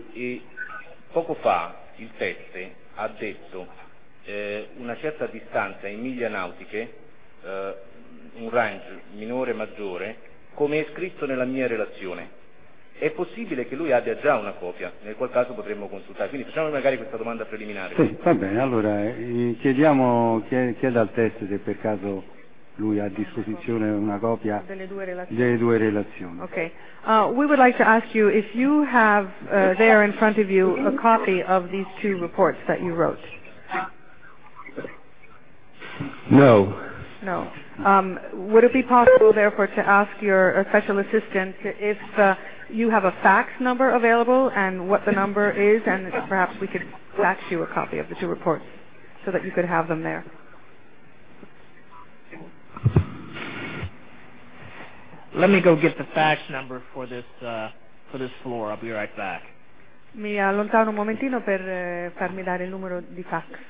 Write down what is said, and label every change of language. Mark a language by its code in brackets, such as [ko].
[it] E poco fa il teste ha detto una certa distanza in miglia nautiche, un range minore maggiore, come è scritto nella mia relazione. È possibile che lui abbia già una copia, nel qual caso potremmo consultare. Quindi facciamo magari questa domanda preliminare. Sì, va bene, allora chieda al teste se per caso lui ha a disposizione una copia delle due relazioni. Okay. [en] We would like to ask you if you have there in front of you a copy of these two reports that you wrote. No. [it] No. [en] Would it be possible therefore to ask your special assistant if you have a fax number available and what the number is, and perhaps we could fax you a copy of the two reports so that you could have them there. Let me go get the fax number for this floor. I'll be right back. [it] Mi allontano un momentino per farmi dare il numero di fax.